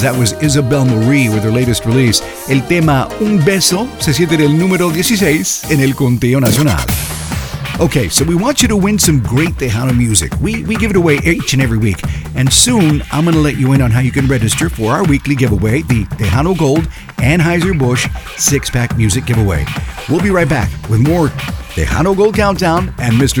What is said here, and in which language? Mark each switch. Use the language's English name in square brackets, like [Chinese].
[English] That was Isabel Marie with her latest release. [Spanish] El tema Un Beso se siente en el número 16 en el conteo nacional. [English] Okay, so we want you to win some great Tejano music. We give it away each and every week. And soon, I'm going to let you in on how you can register for our weekly giveaway, the Tejano Gold Anheuser-Busch 6-Pack Music Giveaway. We'll be right back with more Tejano Gold Countdown and Mr.